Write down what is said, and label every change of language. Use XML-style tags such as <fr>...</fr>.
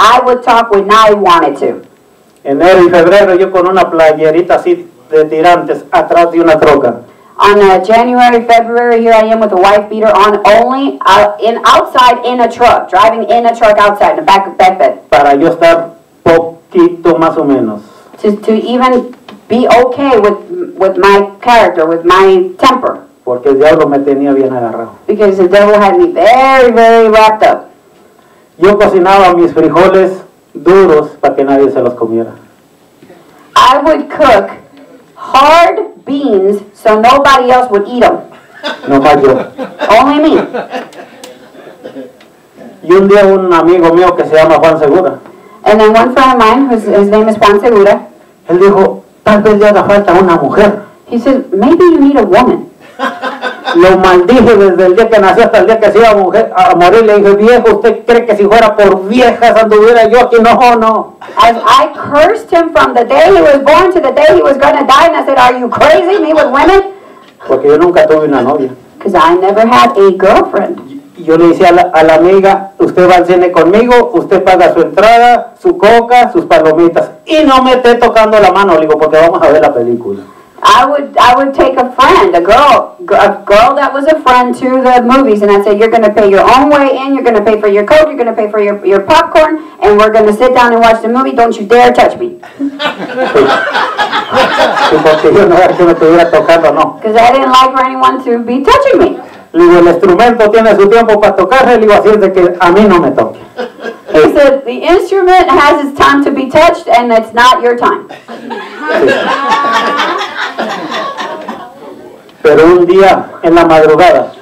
<en>I would talk when I wanted to.</en> <es>Enero y febrero, yo con una playerita así de tirantes atrás de una troca.</es> <en>On January, February, here I am with a wife beater on, only outside in a truck, driving in a truck outside, in the back of bed.</en> <es>Para yo estar poquito más o menos.</es> <en>To even be okay with my character, with my temper.</en> <es>Porque el diablo me tenía bien agarrado.</es> <en>Because the devil had me very, very wrapped up.</en> <es>Yo cocinaba mis frijoles duros para que nadie se los comiera.</es> <en>I would cook hard beans so nobody else would eat them.</en> <es>No más yo.</es> <en>Only me.</en> <es>Y un día un amigo mío que se llama Juan Segura.</es> <en>And then one friend of mine, his name is Juan Segura.</en> <es>Él dijo, tal vez le haga falta una mujer.</es> <en>He said, maybe you need a woman.</en> <es>Lo maldije desde el día que nací hasta el día que se iba a morir. Le dije, viejo, ¿usted cree que si fuera por viejas anduviera yo aquí? No, no.</es> <en>As I cursed him from the day he was born to the day he was going to die, and I said, are you crazy, me with women?</en> <es>Porque yo nunca tuve una novia.</es> <en>Because I never had a girlfriend.</en> <es>Yo le decía a la amiga, usted va al cine conmigo, usted paga su entrada, su coca, sus palomitas, y no me esté tocando la mano, le digo, porque vamos a ver la película.</es> <en>I would take a friend, a girl that was a friend to the movies, and I'd say, you're going to pay your own way in, you're going to pay for your coke, you're going to pay for your popcorn, and we're going to sit down and watch the movie, don't you dare touch me. Because I didn't like for anyone to be touching me.</en> <es>Le digo, el instrumento tiene su tiempo para tocarle, le digo, así es de que a mí no me toque.</es> <en>He said, the instrument has its time to be touched, and it's not your time.</en> <es>Pero un día, en la madrugada,</es>